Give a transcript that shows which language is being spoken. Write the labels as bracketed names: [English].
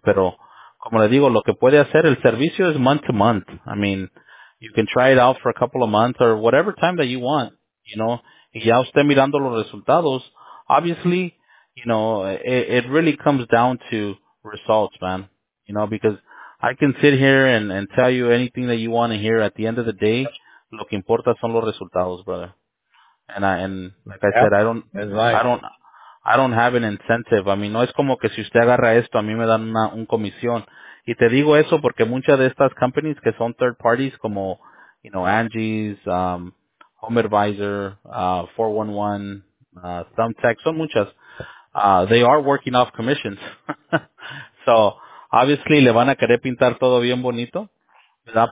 [Spanish] Pero, como le digo, lo que puede hacer, el servicio es [English] month to month. I mean, you can try it out for a couple of months or whatever time that you want, you know. [Spanish] Y ya usted mirando los resultados, [English] obviously, you know, it really comes down to results, man. You know, because I can sit here and tell you anything that you want to hear. At the end of the day, [Spanish] lo que importa son los resultados, [English] brother. And like I said, I don't have an incentive. I mean, [Spanish] no es como que si usted agarra esto, a mí me dan un comisión. Y te digo eso porque muchas de estas companies que son [English] third parties [Spanish] como, [English] you know, [Spanish] Angie's, Home Advisor, 411, Thumbtack, son muchas. [English] They are working off commissions. So, obviously, [Spanish] le van a querer pintar todo bien bonito, ¿verdad?